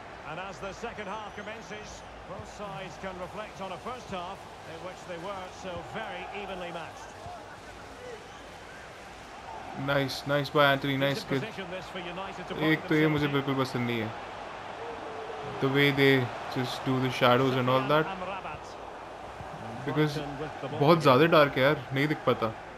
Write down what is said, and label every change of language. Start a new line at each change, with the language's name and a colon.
English: And as the second half commences. Both sides can reflect on a first half in which they were so very evenly matched. Nice, nice by Anthony. Nice kid.
Hindi: एक तो ये मुझे बिल्कुल पसंद नहीं है.
English: The way they just do the shadows and all that. Because
Hindi: बहुत ज़्यादा डार्क है यार, नहीं दिख पाता.